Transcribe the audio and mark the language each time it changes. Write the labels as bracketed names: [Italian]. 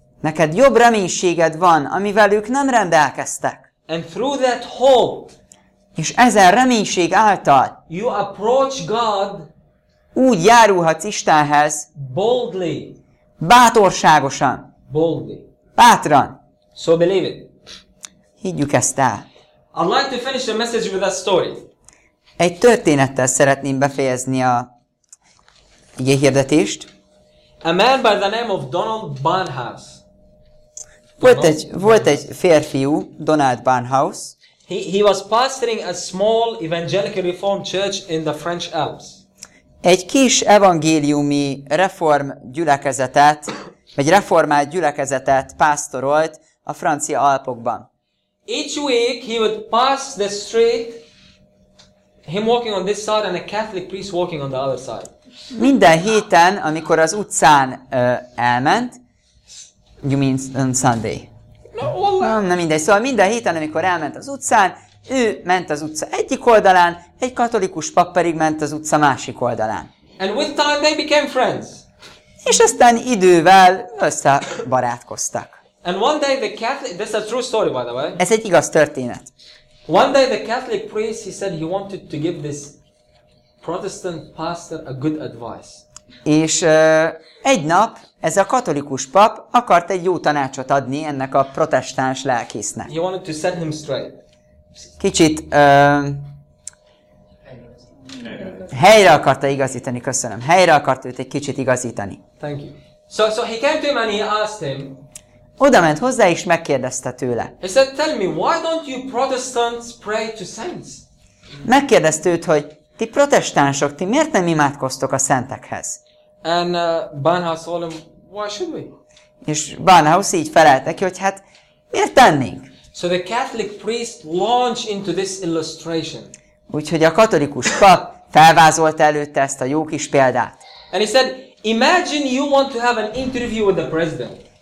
[Hungarian] Neked jobb reménységed van, amivel ők nem rendelkeztek. [English] And through that hope, [Hungarian] és ezen reménység által [English] you approach God, [Hungarian] úgy járulhatsz Istenhez [English] boldly, [Hungarian] bátorságosan, [English] boldly, [Hungarian] bátran. [English] So believe it. [Hungarian] Higgyük ezt el. [English] I'd like to finish the message with a story. [Hungarian] Egy történettel szeretném befejezni a igéhirdetést. [English] A man by the name of Donald Barnhouse. [Hungarian] Volt egy férfiú, Donald Barnhouse. [English] He was pastoring a small evangelical reformed church in the French Alps. [Hungarian] Egy kis evangéliumi reform gyülekezetet, vagy reformált gyülekezetet pásztorolt a francia Alpokban. [English] Each week he would pass the street, him walking on this side and a Catholic priest walking on the other side. [Hungarian] Minden héten, amikor az utcán elment, [English] you mean on Sunday? No, well, [Hungarian] nem mindegy. Szóval minden héten, amikor elment az utcán, ő ment az utca egyik oldalán, egy katolikus pap pedig ment az utca másik oldalán. [English] And with time they became friends. [Hungarian] És aztán idővel összebarátkoztak. [English] And one day the Catholic, this is a true story by the way. [Hungarian] Ez egy igaz történet. [English] One day the Catholic priest, he said he wanted to give this Protestant pastor a good advice. [Hungarian] És egy nap ez a katolikus pap akart egy jó tanácsot adni ennek a protestáns lelkésznek. [English] He wanted to set him straight. [Hungarian] kicsit helyre akarta igazítani, köszönöm. Helyre akarta őt egy kicsit igazítani. [English] Thank you. So he came to him and he asked him. [Hungarian] Oda ment hozzá és megkérdezte tőle. [English] He said, tell me, why don't you Protestants pray to saints? [Hungarian] Megkérdezte őt, hogy ti protestánsok, ti miért nem imádkoztok a szentekhez? [English] And Barnhouse told him, why should we? [Hungarian] És Barnhouse így felelt neki, hogy hát miért tennénk? [English] So the Catholic priest launched into this illustration. [Hungarian] Úgyhogy a katolikus pap felvázolta előtte ezt a jó kis példát. [English] And he said, imagine you want to have an interview with the president.